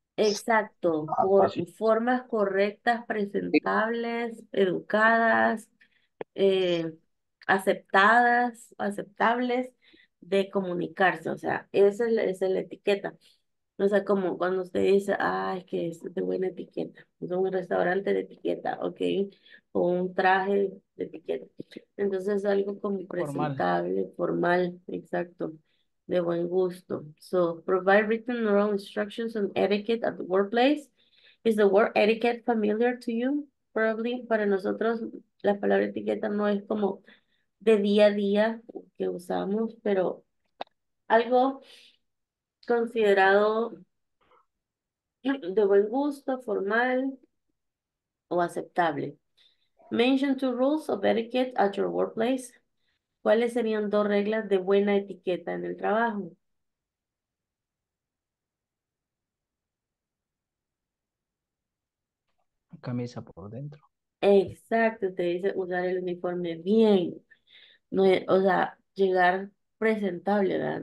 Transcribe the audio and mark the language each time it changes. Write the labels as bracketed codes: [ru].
[es] Exacto, por formas correctas, presentables, educadas, aceptadas, aceptables de comunicarse, o sea, esa es la etiqueta. O sea, como cuando usted dice, ah, es que es de buena etiqueta, es un restaurante de etiqueta, ok, o un traje de etiqueta. Entonces es algo como presentable, formal, exacto, de buen gusto. [en] So, provide written oral instructions on etiquette at the workplace. Is the word etiquette familiar to you? Probably, [es] para nosotros, la palabra etiqueta no es como de día a día que usamos, pero algo considerado de buen gusto, formal o aceptable. [en] Mention two rules of etiquette at your workplace. [es] ¿Cuáles serían dos reglas de buena etiqueta en el trabajo? Camisa por dentro. Exacto, te dice usar el uniforme bien. No, o sea, llegar presentable, ¿verdad?